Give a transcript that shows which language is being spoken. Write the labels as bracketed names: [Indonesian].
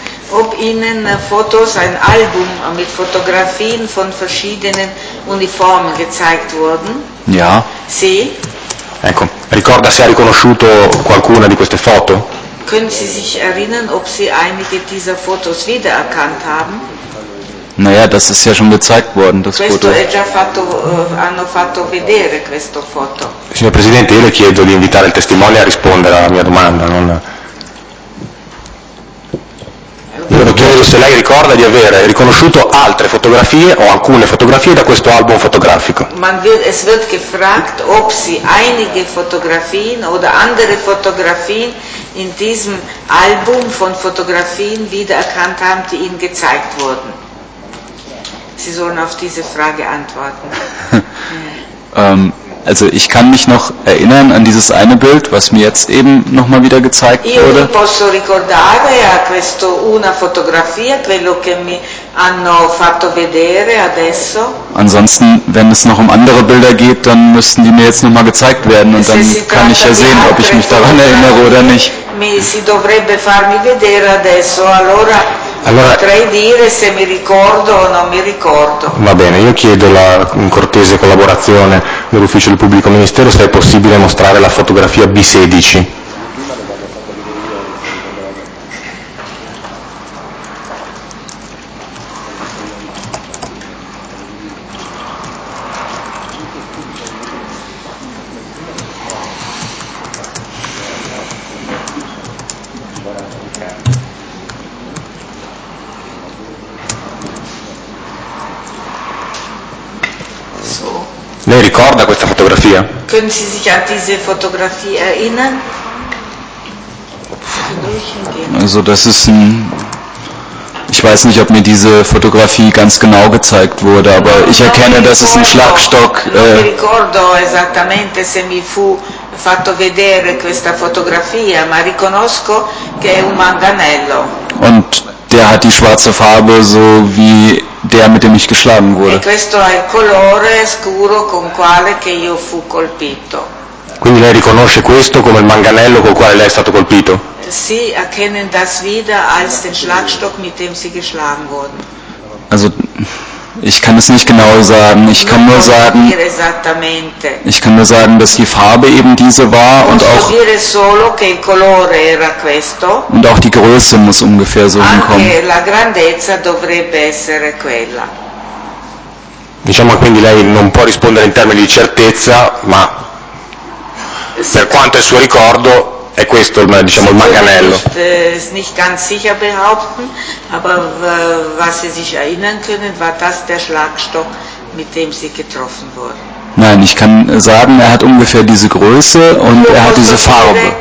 [German] Ob Ihnen Fotos, ein Album mit Fotografien von verschiedenen Uniformen gezeigt wurden? Ja. [Italian] Sì. Ecco, ricorda se ha riconosciuto qualcuna di queste foto? [German] Können Sie sich erinnern, ob Sie einige dieser Fotos wiedererkannt haben? Naja, das ist ja schon gezeigt worden, das [Italian] questo Foto. È già fatto, hanno fatto vedere questo foto. Signor Presidente, io le chiedo di invitare il testimone a rispondere alla mia domanda, non... Io lo chiedo se lei ricorda di avere riconosciuto altre fotografie o alcune fotografie da questo album fotografico. [German] Man wird, es wird gefragt, ob sie einige Fotografien oder andere Fotografien in diesem Album von Fotografien wiedererkannt haben, die ihnen gezeigt wurden. Sie sollen auf diese Frage antworten. Also ich kann mich noch erinnern an dieses eine Bild, was mir jetzt eben nochmal wieder gezeigt wurde. [Italian] Io mi posso ricordare a questo una fotografia, quello che mi hanno fatto vedere adesso. [German] Ansonsten, wenn es noch um andere Bilder geht, dann müssten die mir jetzt nochmal gezeigt werden und dann kann ich ja sehen, ob ich mich daran erinnere oder nicht. [Italian] Mi si dovrebbe farmi vedere adesso, allora. Allora, potrei dire se mi ricordo o non mi ricordo. Va bene, io chiedo la cortese collaborazione dell'ufficio del pubblico ministero se è possibile mostrare la fotografia B16. Lei ricorda questa fotografia? [German] Können Sie sich an diese Fotografie erinnern? Also das ist ein... Ich weiß nicht, ob mir diese Fotografie ganz genau gezeigt wurde, aber ich erkenne, dass es ein Schlagstock... [Italian] Non mi ricordo esattamente se mi fu fatto vedere questa fotografia, ma riconosco che è un manganello. [German] Und der hat die schwarze Farbe so wie... der, mit dem ich geschlagen wurde. [Italian] E questo è il colore scuro con quale che io fu colpito. Quindi lei riconosce questo come il manganello con quale lei è stato colpito? [German] Sie erkennen das wieder als den Schlagstock, mit dem sie geschlagen wurden. Also ich kann es nicht genau sagen, ich kann nur sagen, ich kann nur sagen, dass die Farbe eben diese war und auch, die Größe muss ungefähr so hinkommen. [Italian] La grandezza dovrebbe essere quella. Diciamo quindi lei non può rispondere in termini di certezza, ma per quanto è il suo ricordo è questo, diciamo, il manganello. [German] Nicht ganz sicher behaupten, aber was Sie sich erinnern können, war das der Schlagstock, mit dem Sie getroffen wurden. Nein, ich kann sagen, er hat ungefähr diese Größe und er hat diese Farbe.